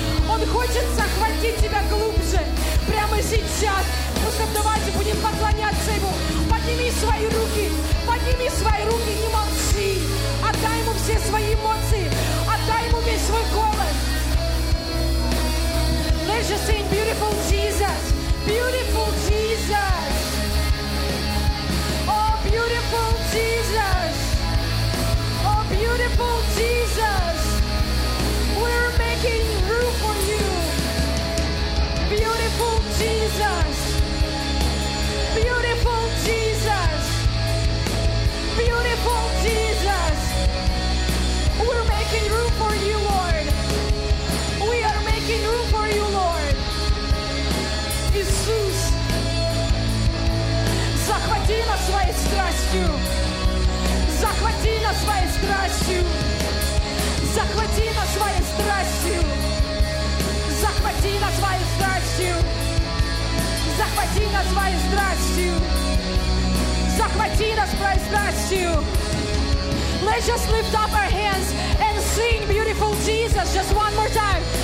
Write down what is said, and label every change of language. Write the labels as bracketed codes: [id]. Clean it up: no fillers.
[ru] Он хочет захватить тебя глубже, прямо сейчас. Просто давайте будем поклоняться Ему. Подними свои руки, подними свои руки, не молчи. Отдай Ему все свои эмоции, отдай Ему весь свой голос. [en] Let's just sing beautiful Jesus, beautiful Jesus. Oh, beautiful Jesus. Oh, beautiful Jesus. We're making room for you. Beautiful Jesus. Beautiful Jesus. Beautiful Jesus. We're making room for you, Lord. We are making room for you, Lord. [ru] Иисус, захвати нас своей страстью. Захвати нас своей страстью. Захвати нас своей страстью. Захвати нас своей страстью. Захвати нас своей страстью. Захвати нас своей страстью. [en] Let's just lift up our hands and sing beautiful Jesus just one more time.